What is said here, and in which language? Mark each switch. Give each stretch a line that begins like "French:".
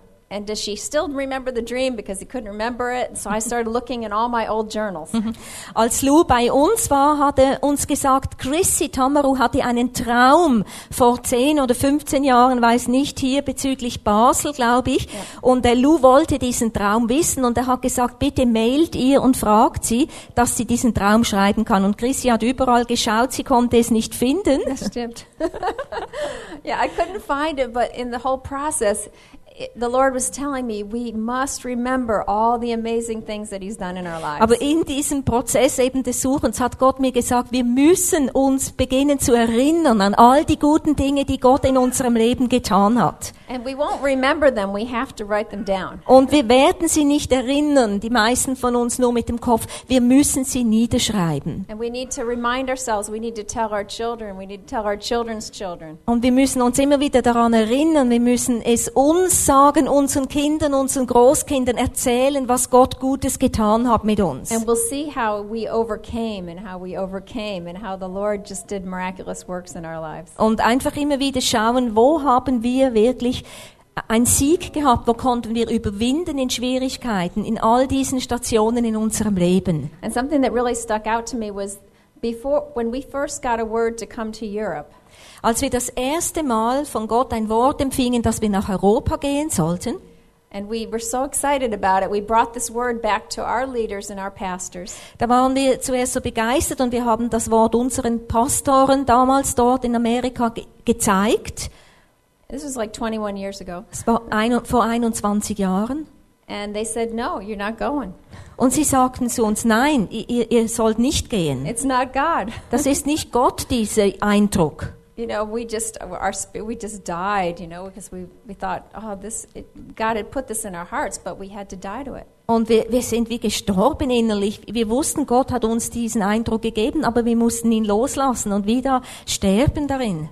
English: And does she still remember the dream, because he couldn't remember it? So I started looking in all my old journals.
German: Als Lou bei uns war, hat er uns gesagt, Chrissy Tamaru hatte einen Traum vor 10 oder 15 Jahren, weiß nicht, hier bezüglich Basel, glaube ich. Yeah. Und Lou wollte diesen Traum wissen und er hat gesagt, bitte mailt ihr und fragt sie, dass sie diesen Traum schreiben kann. Und Chrissy hat überall geschaut, sie konnte es nicht finden. Das stimmt.
English: Yeah, I couldn't find it, but in the whole process, the Lord was telling me we must remember all the amazing things that he's done in our lives.
German: Aber in diesem Prozess eben des Suchens hat Gott mir gesagt, wir müssen uns beginnen zu erinnern an all die guten Dinge, die Gott in unserem Leben getan hat.
English: And we won't remember them, we have to write them down.
German: Und wir werden sie nicht erinnern, die meisten von uns nur mit dem Kopf, wir müssen sie niederschreiben.
English: And we need to remind ourselves, we need to tell our children, we need to tell our children's children.
German: Und wir müssen uns immer wieder daran erinnern, wir müssen es uns sagen, unseren Kindern, unseren Großkindern erzählen, was Gott Gutes getan hat mit uns.
English: And we'll see how we overcame and how we overcame and how the Lord just did miraculous works in our lives.
German: Und einfach immer wieder schauen, wo haben wir wirklich ein Sieg gehabt, wo konnten wir überwinden in Schwierigkeiten, in all diesen Stationen in unserem Leben.
English: And something that really stuck out to me was before, when we first got a word to come to Europe.
German: Als wir das erste Mal von Gott ein Wort empfingen, dass wir nach Europa gehen sollten.
English: And we were so excited about it. We brought this word back to our leaders and our pastors.
German: Da waren wir zuerst so begeistert und wir haben das Wort unseren Pastoren damals dort in Amerika gezeigt.
English: This was like 21 years ago.
German: Vor 21 Jahren.
English: And they said, no, you're not going.
German: Und sie sagten zu uns, nein, ihr sollt nicht gehen.
English: It's not God.
German: Das ist nicht Gott, dieser Eindruck.
English: You know, we just died, you know, because we thought, oh, this, God had put this in our hearts, but we had to die to it.
German: Und wir sind wie gestorben innerlich. Wir wussten, Gott hat uns diesen Eindruck gegeben, aber wir mussten ihn loslassen und wieder sterben darin.